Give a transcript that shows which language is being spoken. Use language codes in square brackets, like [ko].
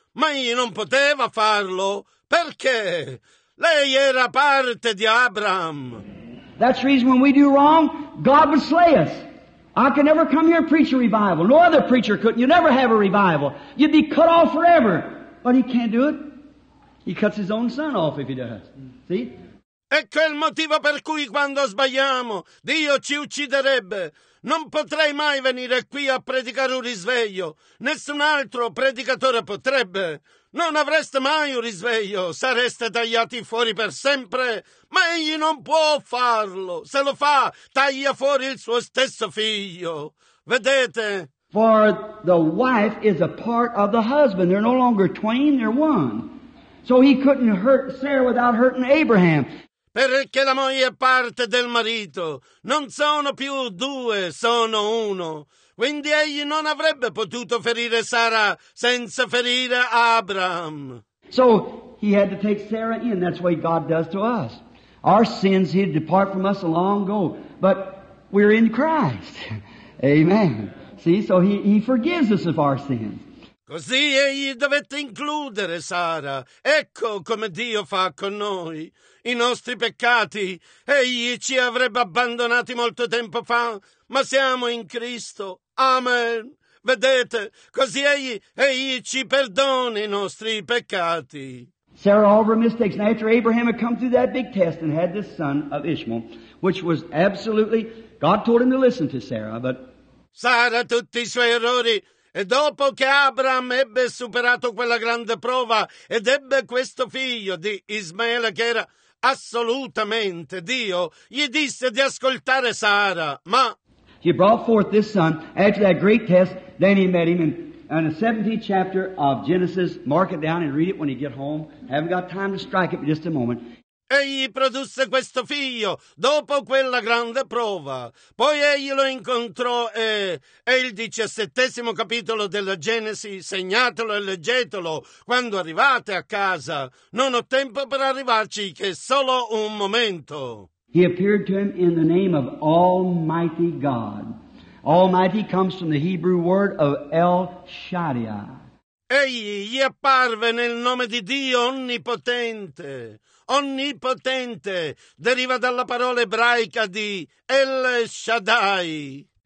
[it] Ma io non poteva farlo. Perché? Lei era parte di Abraham. [en] That's the reason when we do wrong, God would slay us. I could never come here and preach a revival. No other preacher could. You'd never have a revival. You'd be cut off forever. But he can't do it. He cuts his own son off if he does. See? [it] Ecco il motivo per cui quando sbagliamo, Dio ci ucciderebbe. Non potrei mai venire qui a predicare un risveglio. Nessun altro predicatore potrebbe. Non avreste mai un risveglio. Sareste tagliati fuori per sempre. Ma egli non può farlo. Se lo fa, taglia fuori il suo stesso figlio. Vedete? [en] For the wife is a part of the husband. They're no longer twain, they're one. So he couldn't hurt Sarah without hurting Abraham. [it] Perché la moglie è parte del marito. Non sono più due, sono uno. Quindi egli non avrebbe potuto ferire Sara senza ferire Abraham. [en] So he had to take Sarah in. That's what God does to us. Our sins, he'd depart from us a long ago. But we're in Christ. Amen. See, so he forgives us of our sins. [it] Così egli dovette includere Sara. Ecco come Dio fa con noi. I nostri peccati, egli ci avrebbe abbandonati molto tempo fa, ma siamo in Cristo. Amen. Vedete, così egli ci perdona i nostri peccati. [en] Sarah, all her mistakes. And after Abraham had come through that big test and had this son of Ishmael, which was absolutely, God told him to listen to Sarah, but... [it] Sara, tutti i suoi errori. E dopo che Abraham ebbe superato quella grande prova ed ebbe questo figlio di Ismaele che era assolutamente Dio, gli disse di ascoltare Sara, ma... [en] He brought forth this son after that great test, then he met him in the 17th chapter of Genesis. Mark it down and read it when you get home. Haven't got time to strike it, but just a moment. [it] Egli produsse questo figlio dopo quella grande prova. Poi egli lo incontrò e è il 17° capitolo della Genesi. Segnatelo e leggetelo quando arrivate a casa. Non ho tempo per arrivarci che solo un momento. [en] He appeared to him in the name of Almighty God. Almighty comes from the Hebrew word of El Shaddai. [it] Egli gli apparve nel nome di Dio Onnipotente. Onnipotente deriva dalla parola ebraica di El Shaddai.